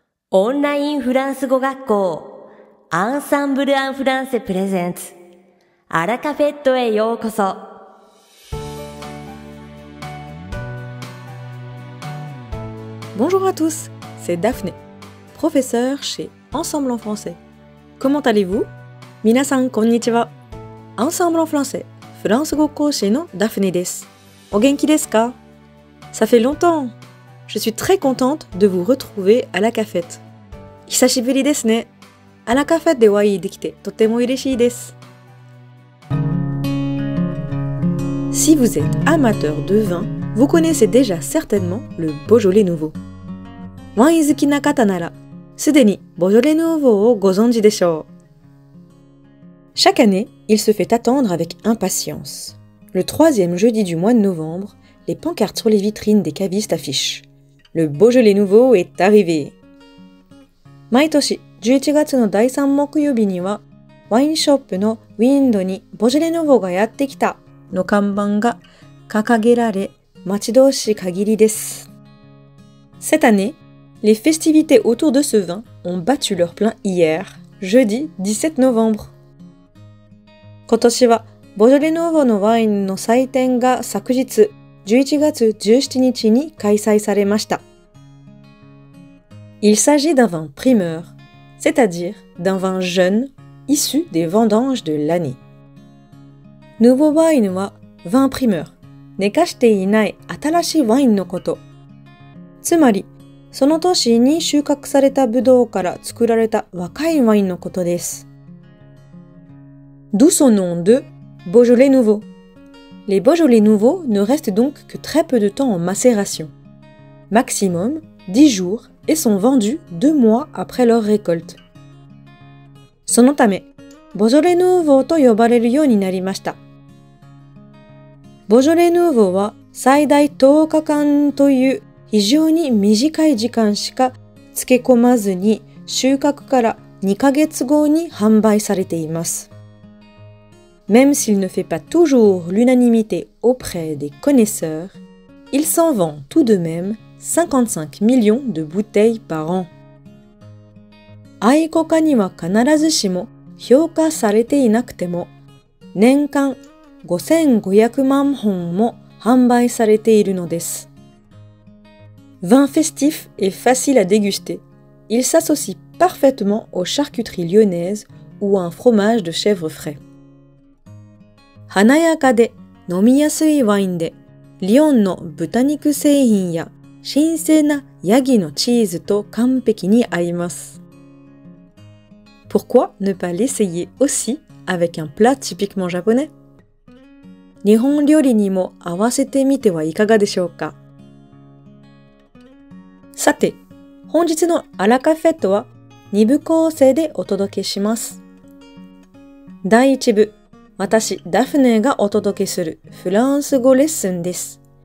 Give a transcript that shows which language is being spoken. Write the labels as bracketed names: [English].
[Japanese] オンラインフランス語学校アンサンブルアンフランセプレゼンツアラカフェットへようこそ。 [French] Bonjour à tous, c'est Daphné, professeur chez Ensemble en français. Comment allez-vous? [Japanese] 皆さんこんにちは。 Ensemble en français, フランス語講師のダフネです。お元気ですか? [French] Ça fait longtemps. Je suis très contente de vous retrouver à la cafette. [Japanese] 久しぶりですね。あらカフェでお会いできてとても嬉しいです。 [French] Si vous êtes amateur de vin, vous connaissez déjà certainement le Beaujolais Nouveau. [Japanese] ワイン好きな方なら、すでにボジョレ・ヌーヴォーをご存知でしょう。 [French] Chaque année, il se fait attendre avec impatience. Le troisième jeudi du mois de novembre, les pancartes sur les vitrines des cavistes affichent. Le Beaujolais Nouveau est arrivé. [Japanese] 毎年11月の第3木曜日にはワインショップのウィンドにボジョレ・ヌーヴォーがやってきたの看板が掲げられ待ち遠しい限りです。 [French] Cette année, les festivités autour de ce vin ont battu leur plein hier, jeudi 17 novembre. [Japanese] 今年はボジョレ・ヌーヴォーのワインの祭典が昨日11月17日に開催されました。 [French] Il s'agit d'un vin primeur, c'est-à-dire d'un vin jeune, issu des vendanges de l'année. [Japanese] Nouveau wine は、vin primeur, 寝かしていない新しいワインのこと。つまり、その年に収穫されたブドウから作られた若いワインのことです。 [French] D'où son nom de Beaujolais Nouveau? Les Beaujolais Nouveaux ne restent donc que très peu de temps en macération. Maximum 10 jours et sont vendus 2 mois après leur récolte. [Japanese] そのため、Beaujolais Nouveau と呼ばれるようになりました。 Beaujolais Nouveau は最大10日間という非常に短い時間しか漬け込まずに収穫から2ヶ月後に販売されています。 [French] Même s'il ne fait pas toujours l'unanimité auprès des connaisseurs, il s'en vend tout de même 55 millions de bouteilles par an. [Japanese] 愛好家には必ずしも評価されていなくても、年間5500万本も販売されているのです。 [French] Vin festif et facile à déguster. Il s'associe parfaitement aux charcuteries lyonnaises ou à un fromage de chèvre frais. [Japanese] 華やかで飲みやすいワインで、リヨンの豚肉製品や新鮮なヤギのチーズと完璧に合います。 [French] Pourquoi ne pas l'essayer aussi avec un plat typiquement japonais? [Japanese] 日本料理にも合わせてみてはいかがでしょうか。さて、本日のアラカフェットは2部構成でお届けします。第1部。私、ダフネがお届けするフランス語レッスンです。